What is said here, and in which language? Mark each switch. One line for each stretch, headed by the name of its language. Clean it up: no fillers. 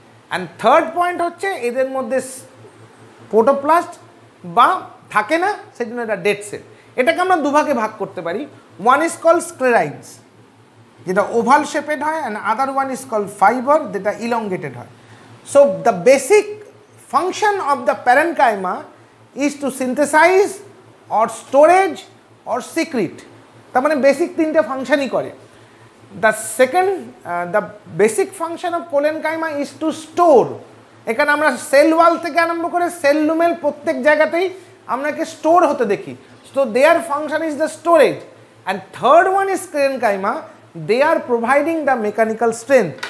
English: and third point
Bangla: হচ্ছে এদের মধ্যে প্রোটোপ্লাস্ট বা থাকে না, সেই জন্য এটা ডেড সেল। এটাকে আমরা দুভাগে ভাগ করতে পারি,
English: One is call sclereids যেটা oval shaped হয় and other one is call fibre যেটা elongated হয়। So the basic function of the parenchyma is to synthesize or storage or secrete.
Bangla: তার মানে বেসিক তিনটে ফাংশনই করে.
English: The second the basic function of collenchyma is to store.
Bangla: এখানে আমরা cell wall থেকে আরম্ভ করে সেল লুমেল প্রত্যেক জায়গাতেই আমরাকে স্টোর হতে দেখি.
English: So their function is the storage. And third one is collenchyma, they are providing the mechanical strength.